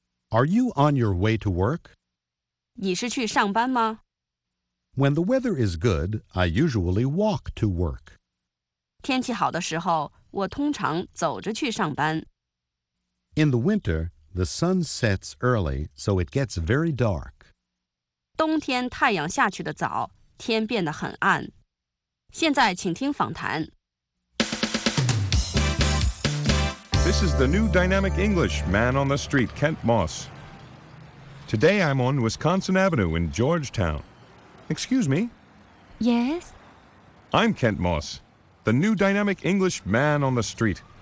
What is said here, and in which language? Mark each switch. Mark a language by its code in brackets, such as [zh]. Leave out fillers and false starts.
[en] Are you on your way to work? [zh] 你是去上班吗 [en] When the weather is good, I usually walk to work. [zh] 天气好的时候我通常走着去上班 [en] In the winter, the sun sets early, so it gets very dark. [zh] 冬天太阳下去的早天变得很暗现在请听访谈。 [en] This is the new dynamic English man on the street, Kent Moss. Today I'm on Wisconsin Avenue in Georgetown. Excuse me? Yes? I'm Kent Moss, the new dynamic English man on the street.